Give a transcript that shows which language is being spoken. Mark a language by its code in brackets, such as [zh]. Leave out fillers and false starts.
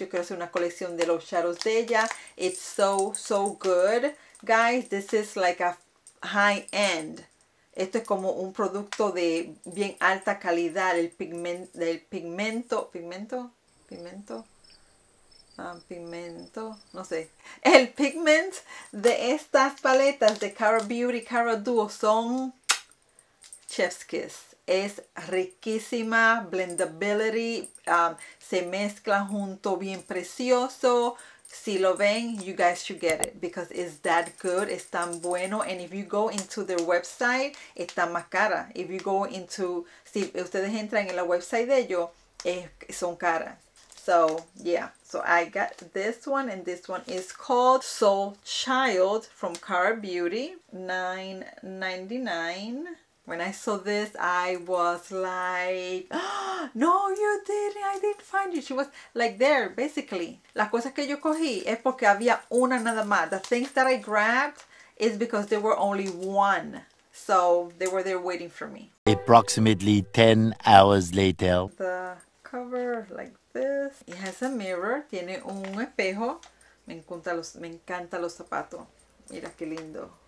[es] Yo quiero hacer una colección de los shadows de ella. [en] It's so, so good. Guys, this is like a high-end [es] Esto es como un producto de bien alta calidad, el pigmento, el pigmento, pigmento, pigmento, pigmento, no sé. El pigment de estas paletas de Cara Beauty, Cara Duo son [en] chef's kiss. [es] Es riquísima, blendability, se mezcla junto bien precioso. Si lo ven, [en] you guys should get it because it's that good. [es] Es tan bueno. [en] And if you go into their website, [es] está más cara. [en] If you go into, [es] si ustedes entran en la website de ellos, son caras. [en] So, yeah. So, I got this one. And this one is called Soul Child from Cara Beauty. $9.99. When I saw this, I was like, oh, no, you didn't. I didn't find you. She was like there, basically. [es] Las cosas que yo cogí es porque había una nada más. [en] The things that I grabbed is because there were only one. So, they were there waiting for me. Approximately 10 hours later. The cover, like this. It has a mirror. [es] Tiene un espejo. Me encanta los zapatos. Mira qué lindo.